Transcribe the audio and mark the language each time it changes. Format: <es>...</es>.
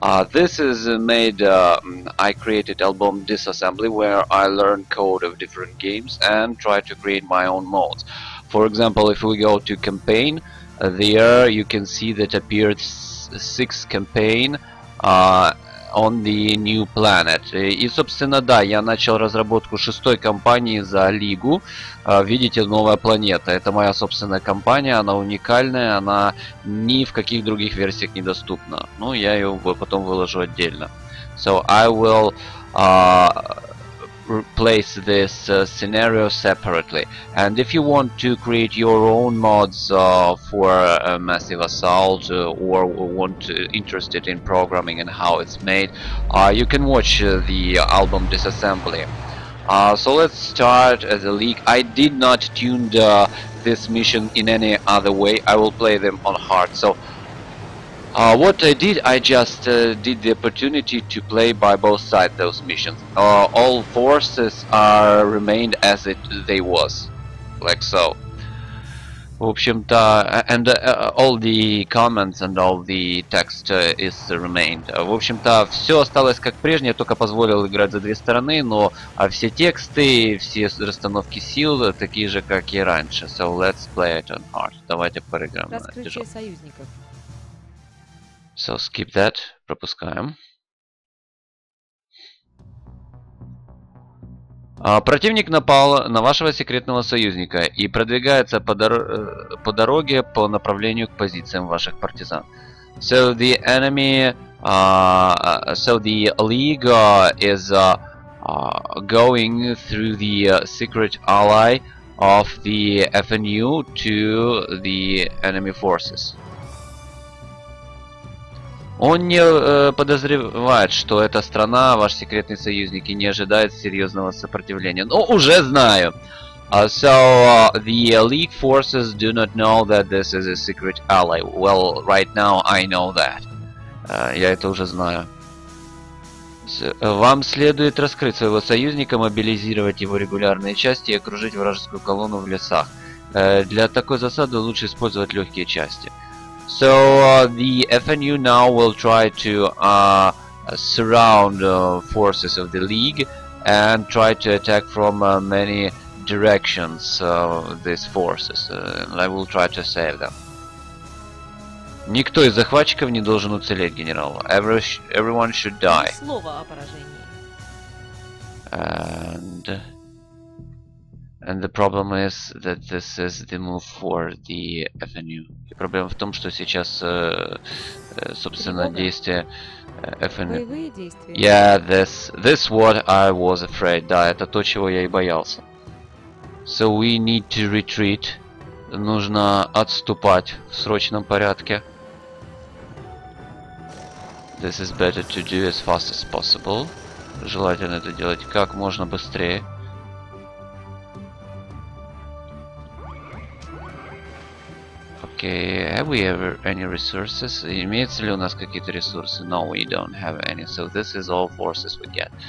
<en>This is made, I created album Disassembly, where I learn code of different games and try to create my own modes. For example, if we go to campaign, there you can see that appeared six campaign on the new planet.</en> <ru>И, собственно, да, я начал разработку шестой кампании за Лигу. Видите, новая планета. Это моя собственная кампания, она уникальная, она ни в каких других версиях недоступна. Ну, я ее потом выложу отдельно.</ru> <en>So, I will place this scenario separately. And if you want to create your own mods for a Massive Assault or want interested in programming and how it's made, you can watch the album Disassembly. So let's start as a leak. I did not tune this mission in any other way. I will play them on hard. So what I did, I just did the opportunity to play by both sides those missions. All forces are remained as it they was, like so.</en> <ru>В общем-то,</ru> <en>and all the comments and all the text is remained.</en> <ru>В общем-то, все осталось как прежнее, только позволил играть за две стороны, но все тексты, все расстановки сил такие же, как и раньше.</ru> <en>So let's play it on hard.</en> <ru>Давайте поиграем. Раскрытие союзников.</ru> <en>So skip that.</en> <ru>Пропускаем. Противник напал на вашего секретного союзника и продвигается по дороге по направлению к позициям ваших партизан.</ru> <en>So the enemy, so the League is going through the secret ally of the FNU to the enemy forces.</en> <ru>Он не подозревает, что эта страна, ваш секретный союзник, и не ожидает серьезного сопротивления. Но уже знаю.</ru> <en>So, the League forces do not know that this is a secret ally. Well, right now I know that.</en> <ru>Я это уже знаю. Вам следует раскрыть своего союзника, мобилизировать его регулярные части и окружить вражескую колонну в лесах. Для такой засады лучше использовать легкие части.</ru> <en>So the FNU now will try to surround forces of the League and try to attack from many directions these forces. I will try to save them.</en> <ru>Никто из захватчиков не должен уцелеть, генерал.</ru> <en>Everyone should die.</en> <ru>Слово о поражении.</ru> <en>And the problem is that this is the move for the FNU.</en> <ru>И проблема в том, что сейчас, собственно, действия FNU. Боевые действия.</ru> <en>Yeah, this what I was afraid.</en> <ru>Да, это то, чего я и боялся.</ru> <en>So we need to retreat.</en> <ru>Нужно отступать в срочном порядке.</ru> <en>This is better to do as fast as possible.</en> <ru>Желательно это делать как можно быстрее.</ru> <en>Okay, have we ever any resources?</en> <ru>Имеется ли у нас какие-то ресурсы?</ru> <en>No, we don't have any. So this is all forces we get.</en>